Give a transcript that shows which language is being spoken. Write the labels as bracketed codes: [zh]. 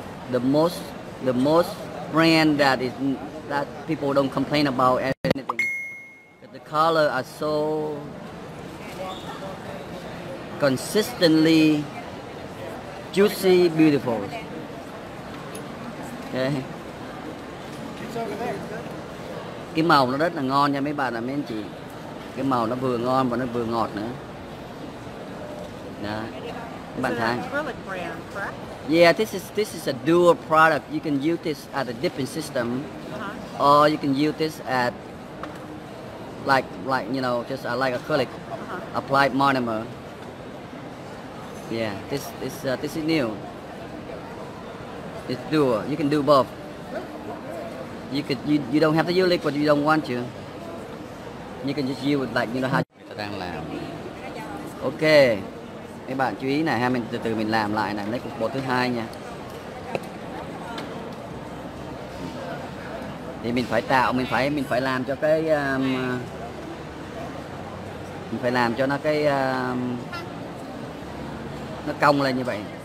[en] The most brand that people don't complain about anything. But the color are so consistently juicy, beautiful. Okay. [vi] Cái màu nó rất là ngon nha mấy bạn và mấy anh chị. Cái màu nó vừa ngon và nó vừa ngọt nữa. Đó. Các bạn thấy. [en] Yeah, this is a dual product. You can use this at a dipping system, or you can use this at like you know, just like acrylic, applied monomer. Yeah, this is new. It's dual. You can do both. You don't have to use liquid. You don't want to. You can just use like you know how. [vi] Ta đang làm. [en] Okay. [vi] Mấy bạn chú ý này ha, mình từ từ mình làm lại này, lấy cục bột thứ hai nha. Thì mình phải làm cho cái mình phải làm cho nó cái nó cong lên như vậy.